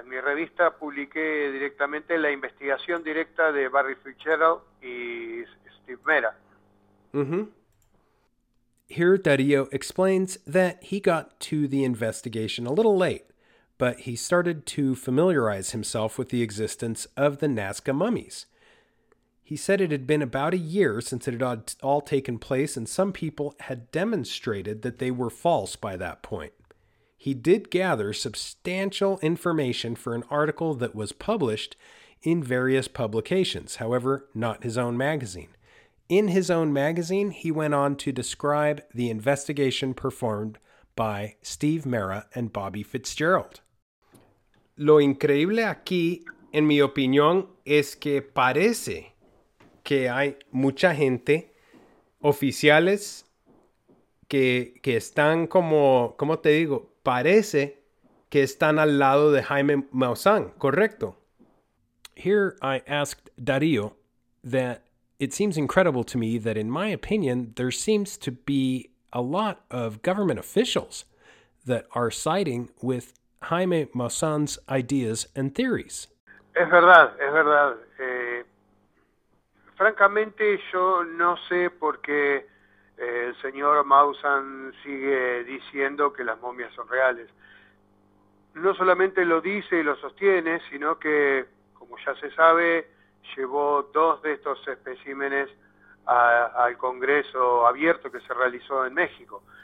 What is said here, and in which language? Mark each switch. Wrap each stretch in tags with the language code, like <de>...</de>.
<es>En mi revista publiqué directamente la investigación directa de Barry Fitzgerald y Steve Mera. Mm-hmm.</es> <en>Here, Darío explains that he got to the investigation a little late, but he started to familiarize himself with the existence of the Nazca mummies. He said it had been about a year since it had all taken place, and some people had demonstrated that they were false by that point. He did gather substantial information for an article that was published in various publications, however, not his own magazine. In his own magazine, he went on to describe the investigation performed by Steve Mera and Bobby Fitzgerald.</en> <es>Lo increíble aquí, en mi opinión, es que parece que hay mucha gente, oficiales, que están como, ¿cómo te digo? Parece que están al lado de Jaime Maussan, ¿correcto?</es> <en>Here I asked Darío that it seems incredible to me that, in my opinion, there seems to be a lot of government officials that are siding with Jaime Maussan's ideas and theories.</en> <es>Es verdad, es verdad. Francamente, yo no sé por qué el señor Maussan sigue diciendo que las momias son reales. No solamente lo dice y lo sostiene, sino que, como ya se sabe, llevó dos de estos especímenes al Congreso abierto que se realizó en México.</es>